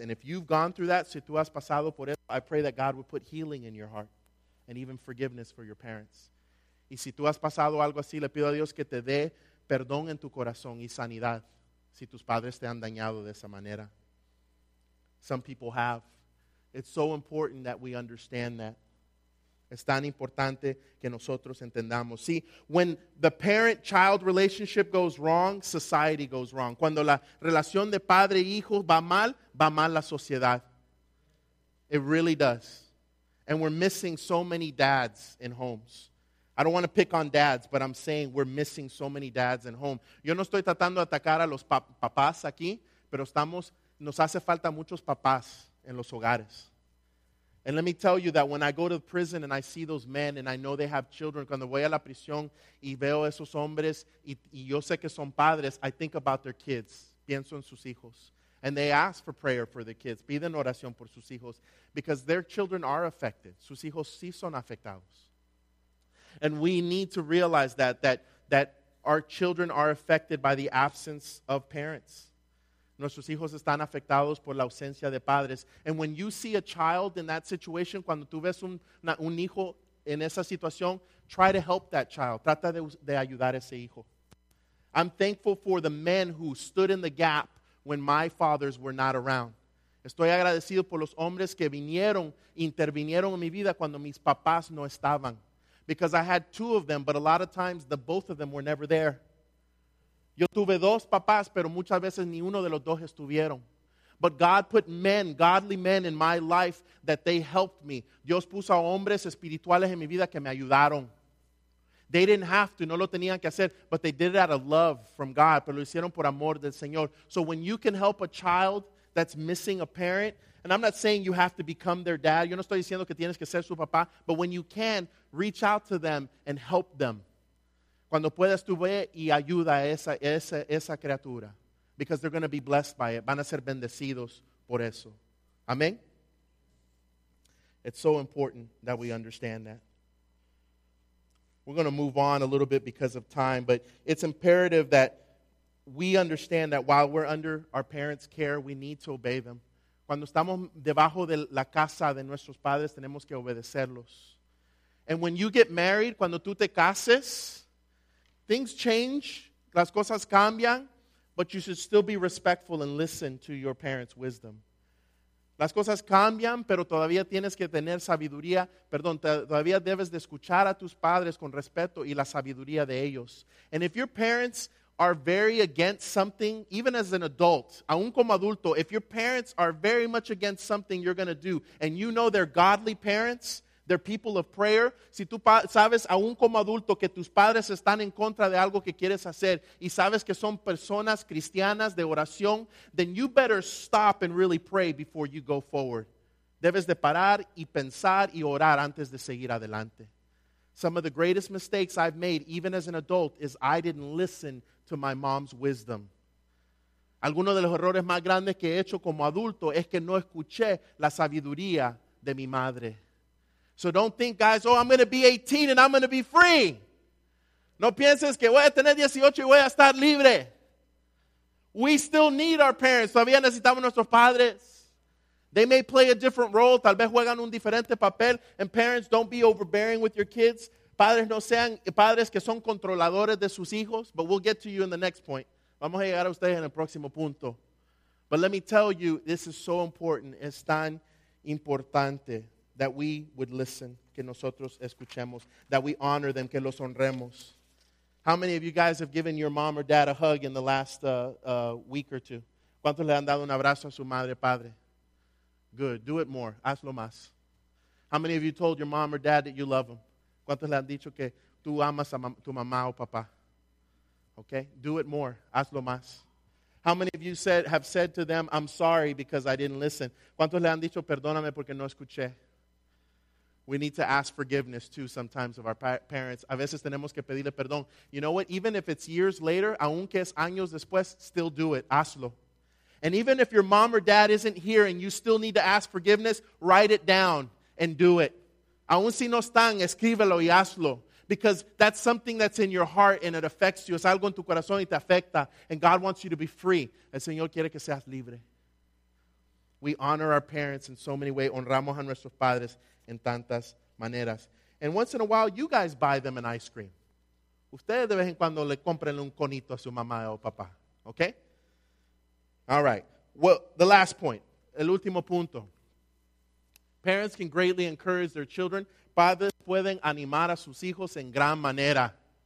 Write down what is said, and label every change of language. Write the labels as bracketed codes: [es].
[en] And if you've gone through that, [es] si tú has pasado por eso, [en] I pray that God would put healing in your heart and even forgiveness for your parents. [es] Y si tú has pasado algo así, le pido a Dios que te dé perdón en tu corazón y sanidad si tus padres te han dañado de esa manera. [en] Some people have. It's so important that we understand that. [es] Es tan importante que nosotros entendamos. [en] See, when the parent-child relationship goes wrong, society goes wrong. [es] Cuando la relación de padre-hijo va mal la sociedad. [en] It really does. And we're missing so many dads in homes. I don't want to pick on dads, but I'm saying we're missing so many dads in home. [es] Yo no estoy tratando de atacar a los papás aquí, pero nos hace falta muchos papás en los hogares. [en] And let me tell you that when I go to prison and I see those men and I know they have children, [es] cuando voy a la prisión y veo esos hombres y yo sé que son padres, [en] I think about their kids. [es] Pienso en sus hijos. [en] And they ask for prayer for the kids. [es] Piden oración por sus hijos. [en] Because their children are affected. [es] Sus hijos sí son afectados. [en] And we need to realize that our children are affected by the absence of parents. [es] Nuestros hijos están afectados por la ausencia de padres. [en] And when you see a child in that situation, [es] cuando tú ves un hijo en esa situación, [en] try to help that child. [es] Trata de ayudar a ese hijo. [en] I'm thankful for the men who stood in the gap when my fathers were not around. [es] Estoy agradecido por los hombres que vinieron, intervinieron en mi vida cuando mis papás no estaban. [en] Because I had two of them, but a lot of times the both of them were never there. [es] Yo tuve dos papás, pero muchas veces ni uno de los dos estuvieron. [en] But God put men, godly men in my life that they helped me. [es] Dios puso a hombres espirituales en mi vida que me ayudaron. [en] They didn't have to, [es] no lo tenían que hacer, [en] but they did it out of love from God, [es] pero lo hicieron por amor del Señor. [en] So when you can help a child that's missing a parent, and I'm not saying you have to become their dad, [es] yo no estoy diciendo que tienes que ser su papá, [en] but when you can, reach out to them and help them. [es] Cuando puedas, tú ve y ayuda a esa criatura, [en] because they're going to be blessed by it. [es] Van a ser bendecidos por eso. [en] Amen? It's so important that we understand that. We're going to move on a little bit because of time, but it's imperative that we understand that while we're under our parents' care, we need to obey them. [es] Cuando estamos debajo de la casa de nuestros padres, tenemos que obedecerlos. [en] And when you get married, [es] cuando tú te cases, [en] things change, [es] las cosas cambian, [en] but you should still be respectful and listen to your parents' wisdom. [es] Las cosas cambian, pero todavía tienes que tener sabiduría, perdón, todavía debes de escuchar a tus padres con respeto y la sabiduría de ellos. [en] And if your parents are very against something, even as an adult, [es] aún como adulto, [en] if your parents are very much against something you're going to do, and you know they're godly parents, they're people of prayer. [es] Si tú sabes aún como adulto que tus padres están en contra de algo que quieres hacer y sabes que son personas cristianas de oración, [en] then you better stop and really pray before you go forward. [es] Debes de parar y pensar y orar antes de seguir adelante. [en] Some of the greatest mistakes I've made, even as an adult, is I didn't listen to my mom's wisdom. [es] Algunos de los errores más grandes que he hecho como adulto es que no escuché la sabiduría de mi madre. [en] So don't think, guys, oh, I'm going to be 18 and I'm going to be free. [es] No pienses que voy a tener 18 y voy a estar libre. [en] We still need our parents. [es] Todavía necesitamos nuestros padres. [en] They may play a different role. [es] Tal vez juegan un diferente papel. [en] And parents, don't be overbearing with your kids. [es] Padres no sean padres que son controladores de sus hijos. [en] But we'll get to you in the next point. [es] Vamos a llegar a ustedes en el próximo punto. [en] But let me tell you, this is so important. [es] Es tan importante. [en] That we would listen, [es] que nosotros escuchemos, [en] that we honor them, [es] que los honremos. [en] How many of you guys have given your mom or dad a hug in the last week or two? [es] ¿Cuántos le han dado un abrazo a su madre, padre? [en] Good, do it more, [es] hazlo más. [en] How many of you told your mom or dad that you love them? [es] ¿Cuántos le han dicho que tú amas a tu mamá o papá? [en] Okay, do it more, [es] hazlo más. [en] How many of you have said to them, I'm sorry because I didn't listen? [es] ¿Cuántos le han dicho perdóname porque no escuché? [en] We need to ask forgiveness, too, sometimes of our parents. [es] A veces tenemos que pedirle perdón. [en] You know what? Even if it's years later, [es] aunque es años después, [en] still do it. [es] Hazlo. [en] And even if your mom or dad isn't here and you still need to ask forgiveness, write it down and do it. [es] Aun si no están, escríbelo y hazlo. [en] Because that's something that's in your heart and it affects you. [es] Es algo en tu corazón y te afecta. [en] And God wants you to be free. [es] El Señor quiere que seas libre. [en] We honor our parents in so many ways. [es] Honramos a nuestros padres. En tantas maneras. [en] And once in a while, you guys buy them an ice cream. [es] Ustedes de vez en cuando le compren un conito a su mamá o papá. [en] Okay? All right. Well, the last point. [es] El último punto. [en] Parents can greatly encourage their children. [es] Padres pueden animar a sus hijos en gran manera.